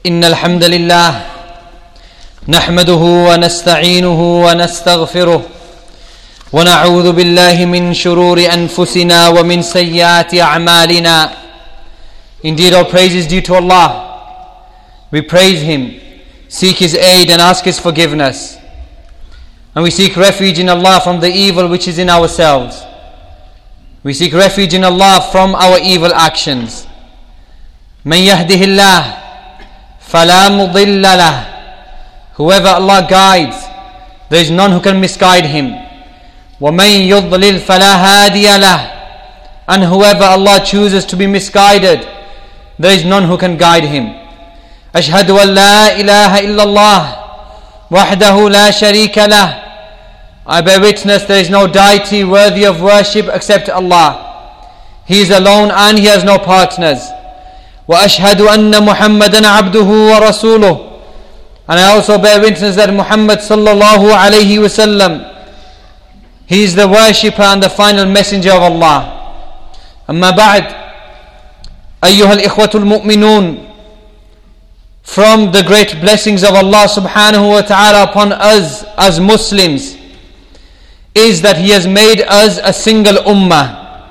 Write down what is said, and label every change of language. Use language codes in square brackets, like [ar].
[ar] إن الحمد لله نحمده ونستعينه ونستغفره ونعوذ بالله من شرور أنفسنا ومن سيئات أعمالنا. [en] Indeed, all praise is due to Allah. We praise Him, seek His aid and ask His forgiveness. And we seek refuge in Allah from the evil which is in ourselves. We seek refuge in Allah from our evil actions. [ar] من يهده الله فلا مضل له. [en] Whoever Allah guides, there is none who can misguide him. [ar] ومن يضلل فلا هادي له. [en] And whoever Allah chooses to be misguided, there is none who can guide him. [ar] أشهد أن لا إله إلا الله وحده لا شريك له. [en] I bear witness there is no deity worthy of worship except Allah. He is alone and He has no partners. [ar] وأشهد أن محمدا عبده ورسوله. [en] And I also bear witness that Muhammad [ar] صلى الله عليه وسلم, [en] he is the worshipper and the final messenger of Allah. [ar] أما بعد, أيها الإخوة المؤمنون, [en] from the great blessings of Allah [ar] سبحانه وتعالى [en] upon us as Muslims is that He has made us a single ummah.